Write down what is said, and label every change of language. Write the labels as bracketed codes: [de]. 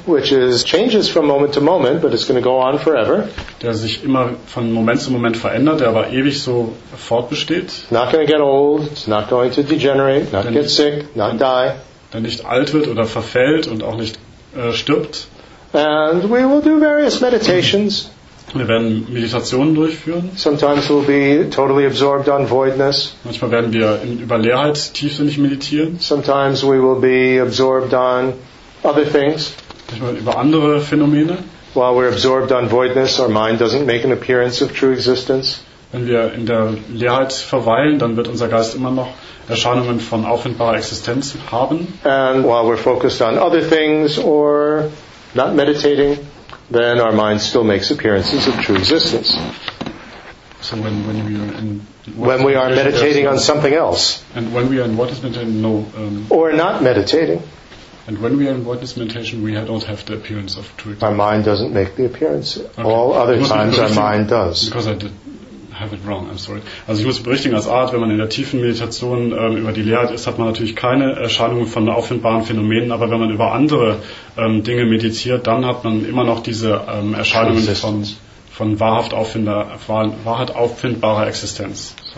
[en] Which changes from moment to moment, but it's going to go on forever. [de] Der sich immer von Moment zu Moment verändert, der aber ewig so fortbesteht. [en] Not going to get old, it's not going to degenerate, not get sick, not die. [de] Der nicht alt wird oder verfällt und auch nicht stirbt. [en] And we will do various meditations. [de] Wir werden Meditationen durchführen. [en] Sometimes we'll be totally absorbed on voidness. [de] Manchmal werden wir über Leerheit tiefsinnig meditieren. [en] Sometimes we will be absorbed on other things. [de] Manchmal über andere Phänomene. [en] While we're absorbed on voidness, our mind doesn't make an appearance of true existence. [de] Wenn wir in der Leerheit verweilen, dann wird unser Geist immer noch Erscheinungen von auffindbarer Existenz haben. [en] And while we're focused on other things or not meditating, then our mind still makes appearances of true existence. So when we are in when we are meditating on something else, and when we are in what is meditation, no, or not meditating, and when we are in what is meditation, we don't have the appearance of true existence. My mind doesn't make the appearance. Okay. All other times, our mind does. Because I did have it wrong. I'm sorry. [de] Also ich muss berichtigen, als Art, wenn man in der tiefen Meditation über die Leerheit ist, hat man natürlich keine Erscheinungen von auffindbaren Phänomenen, aber wenn man über andere Dinge meditiert, dann hat man immer noch diese Erscheinungen von wahrhaft auffindbarer Existenz.